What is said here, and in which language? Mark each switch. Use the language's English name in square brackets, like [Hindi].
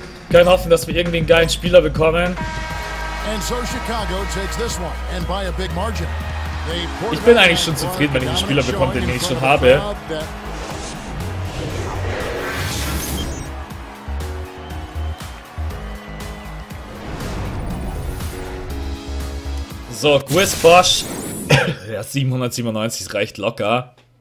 [German] Können hoffen, dass wir irgendwie einen geilen Spieler bekommen. [English] And so Chicago takes this one and by a big margin. [German] Ich bin eigentlich schon zufrieden, wenn ich einen Spieler bekomme, den ich schon habe. So, Chris Bosh. Ja, 797 reicht locker.